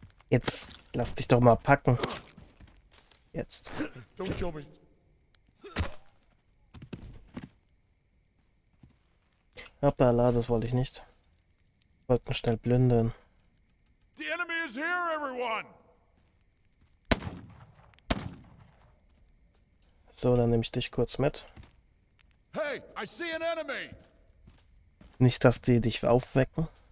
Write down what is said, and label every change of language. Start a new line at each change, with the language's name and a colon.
German: Jetzt lass dich doch mal packen. Jetzt.
English: Don't kill me.
German: Hoppala, das wollte ich nicht. Wollten schnell plündern.
English: The enemy is here, everyone.
German: So, dann nehme ich dich kurz mit.
English: Hey, I see an enemy.
German: Nicht, dass die dich aufwecken.